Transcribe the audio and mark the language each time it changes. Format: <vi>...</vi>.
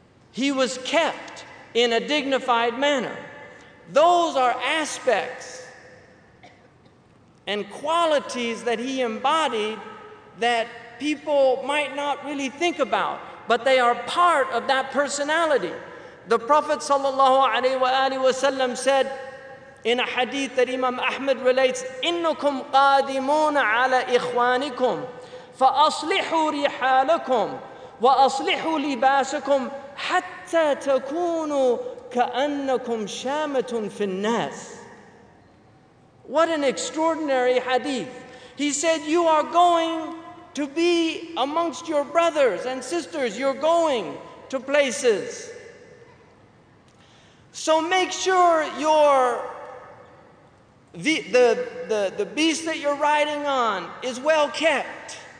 <en>He was kept in a dignified manner. Those are aspects and qualities that he embodied that people might not really think about, but they are part of that personality. The Prophet ﷺ said in a hadith that Imam Ahmad relates,</en> <ar>إِنُّكُمْ قَادِمُونَ عَلَىٰ إِخْوَانِكُمْ فَأَصْلِحُوا رِحَالَكُمْ وَأَصْلِحُوا لِبَاسَكُمْ حَتَّى تَكُونُوا كَأَنَّكُمْ شَامَةٌ فِي النَّاسِ.</ar> <en>What an extraordinary hadith. He said, you are going to be amongst your brothers and sisters. You're going to places. So make sure your the beast that you're riding on is well kept.</en>